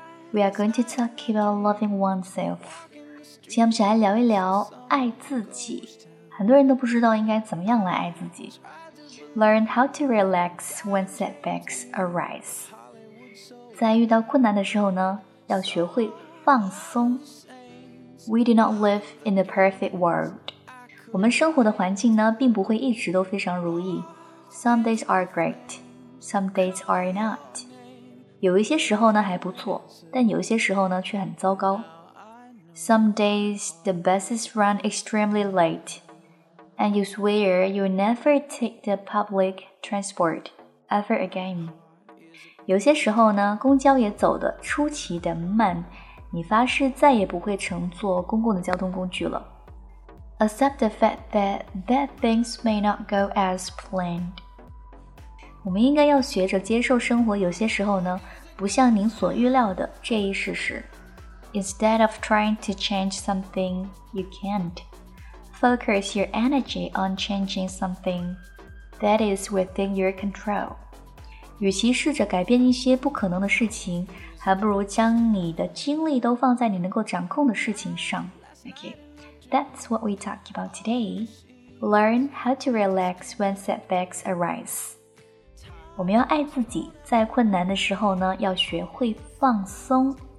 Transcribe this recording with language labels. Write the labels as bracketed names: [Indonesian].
[English] We are going to talk about loving oneself。 [Chinese] 今天我们来聊一聊爱自己，很多人都不知道应该怎么样来爱自己。 [English] Learn how to relax when setbacks arise。 [Chinese] 在遇到困难的时候呢，要学会放松。 [English] We do not live in a perfect world。 [Chinese] 我们生活的环境呢，并不会一直都非常如意。 [English] Some days are great, some days are not. [Chinese] 有一些时候呢还不错，但有一些时候呢却很糟糕。 [English] Some days the buses run extremely late, and you swear you'll never take the public transport ever again. [Chinese] 有些时候呢公交也走得出奇的慢，你发誓再也不会乘坐公共的交通工具了。 [English] Accept the fact that bad things may not go as planned. [Chinese] 我们应该要学着接受生活有些时候呢不像您所预料的这一事实。 [English] Instead of trying to change something you can't, focus your energy on changing something that is within your control. [Chinese] 与其试着改变一些不可能的事情，还不如将你的精力都放在你能够掌控的事情上。 [English] Okay. That's what we talk about today. Learn how to relax when setbacks arise. [Chinese] 我们要爱自己，在困难的时候呢，要学会放松。